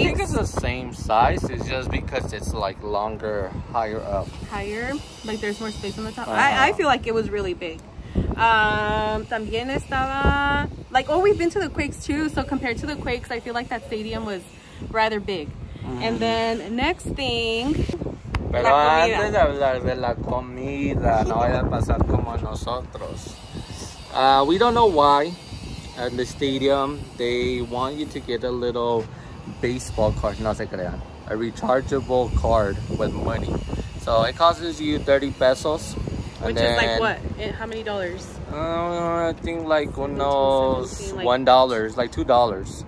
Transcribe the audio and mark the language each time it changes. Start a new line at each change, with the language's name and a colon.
English: I think it's the same size. It's just because it's longer, higher up. Higher? There's more space on the top? Uh-huh. I feel like it was really big.
Spanish: También estaba...
English: we've been to the Quakes too. So compared to the Quakes, I feel like that stadium was rather big. Mm. And then next thing...
Spanish: Pero antes de hablar de la comida, no vaya a pasar como nosotros.
English: We don't know why at the stadium they want you to get a little baseball card,
Spanish: no se crean,
English: a rechargeable card with money. So So it costs you 30 pesos. And which then, is like what? How many dollars? I think like unos $1, like $2.